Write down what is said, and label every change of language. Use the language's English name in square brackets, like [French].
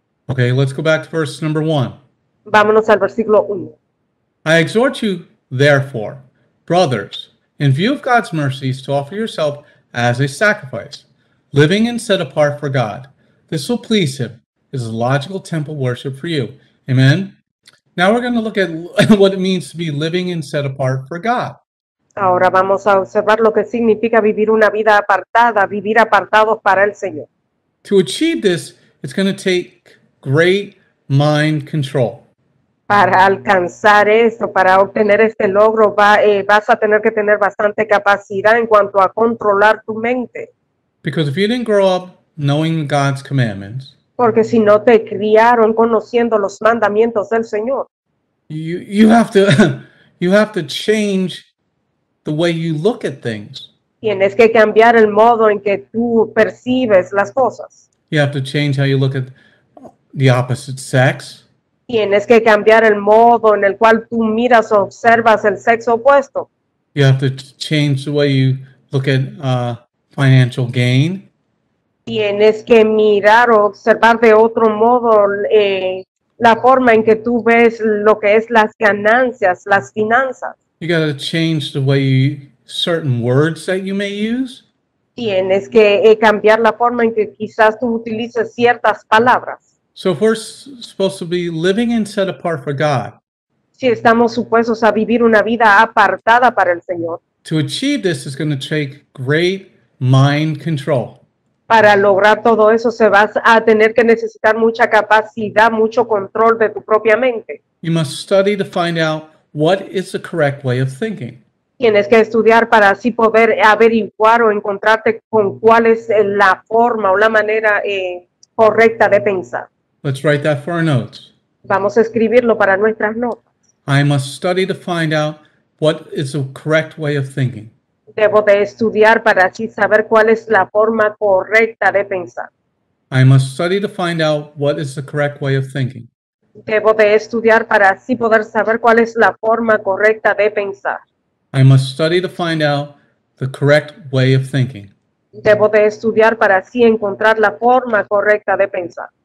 [English] Okay, let's go back to verse number one. [Spanish] Vámonos al versículo uno. [English] I exhort you, therefore, brothers, in view of God's mercies, to offer yourself as a sacrifice, living and set apart for God. This will please him. It is a logical temple worship for you. Amen? Now we're going to look at what it means to be living and set apart for God. [Spanish] Ahora vamos a observar lo que significa vivir una vida apartada, vivir apartados para el Señor. [English] To achieve this, it's going to take great mind control. [Spanish] Para alcanzar esto, para obtener este logro, vas a tener que tener bastante capacidad en cuanto a controlar tu mente. [English] Because if you didn't grow up knowing God's commandments, [Spanish] porque si no te criaron conociendo los mandamientos del Señor, [English] you have to change the way you look at things. [Spanish] Tienes que cambiar el modo en que tú percibes las cosas. [English] You have to change how you look at the opposite sex. [Spanish] Tienes que cambiar el modo en el cual tú miras o observas el sexo opuesto. [English] You have to change the way you look at financial gain. [Spanish] Tienes que mirar o observar de otro modo la forma en que tú ves lo que es las ganancias, las finanzas. [English] You got to change the way you, certain words that you may use. [Spanish] Tienes que cambiar la forma en que quizás tú utilices ciertas palabras. [English] So if we're supposed to be living and set apart for God, [Spanish] si estamos supuestos a vivir una vida apartada para el Señor, [English] to achieve this is going to take great mind control. [Spanish] Para lograr todo eso se vas a tener que necesitar mucha capacidad, mucho control de tu propia mente. [English] You must study to find out what is the correct way of thinking. [Spanish] Tienes que estudiar para así poder averiguar o encontrarte con cuál es la forma o la manera correcta de pensar. [English] Let's write that for our notes. [Spanish] Vamos a escribirlo para nuestras notas. [English] I must study to find out what is the correct way of thinking. [Spanish] Debo de estudiar para así saber cuál es la forma correcta de pensar. [English] I must study to find out what is the correct way of thinking. [Spanish] Debo de estudiar para así poder saber cuál es la forma correcta de pensar. [English] I must study to find out the correct way of thinking. [Spanish] Debo de estudiar para así encontrar la forma correcta de pensar.